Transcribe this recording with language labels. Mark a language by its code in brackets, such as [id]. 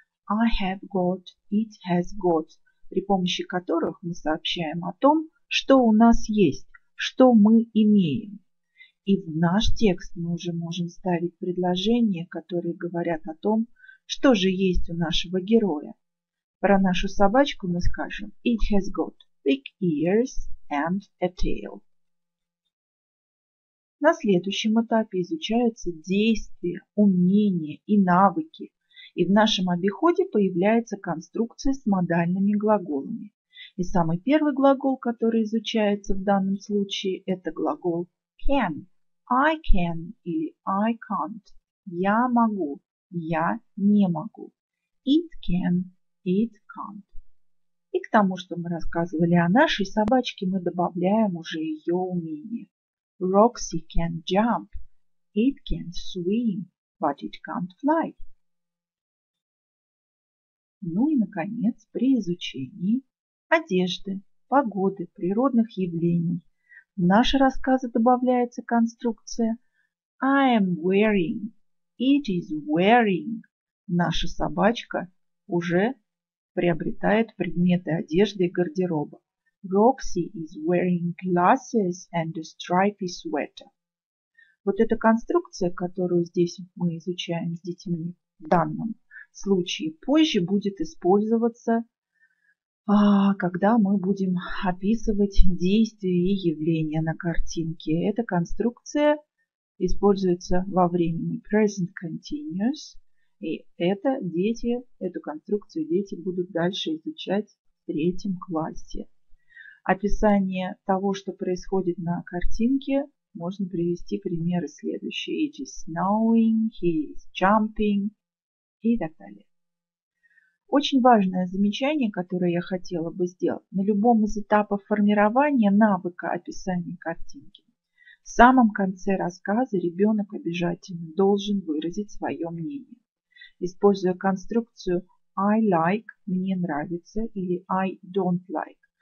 [en] I have got, it has got. [ru] При помощи которых мы сообщаем о том, что у нас есть, что мы имеем. И в наш текст мы уже можем ставить предложения, которые говорят о том, что же есть у нашего героя. Про нашу собачку мы скажем [en] «It has got big ears and a tail». [ru] На следующем этапе изучаются действия, умения и навыки. И в нашем обиходе появляется конструкция с модальными глаголами. И самый первый глагол, который изучается в данном случае, это глагол «can». [en] I can или I can't. [ru] Я могу, я не могу. [en] It can, it can't. [ru] И к тому, что мы рассказывали о нашей собачке, мы добавляем уже ее умение. [en] Roxy can jump. It can swim, but it can't fly. [ru] Ну и, наконец, при изучении одежды, погоды, природных явлений в наши рассказы добавляется конструкция [en] I am wearing. It is wearing. [ru] Наша собачка уже приобретает предметы одежды и гардероба. [en] Roxy is wearing glasses and a stripy sweater. [ru] Вот эта конструкция, которую здесь мы изучаем с детьми в данном случае, позже будет использоваться, когда мы будем описывать действия и явления на картинке. Эта конструкция используется во времени present continuous. И это дети, эту конструкцию дети будут дальше изучать в третьем классе. Описание того, что происходит на картинке, можно привести примеры следующие. [en] It is snowing, he is jumping [ru] и так далее. Очень важное замечание, которое я хотела бы сделать. На любом из этапов формирования навыка описания картинки, в самом конце рассказа ребенок обязательно должен выразить свое мнение. Используя конструкцию [en] I like, [ru] мне нравится, или [en] I don't like.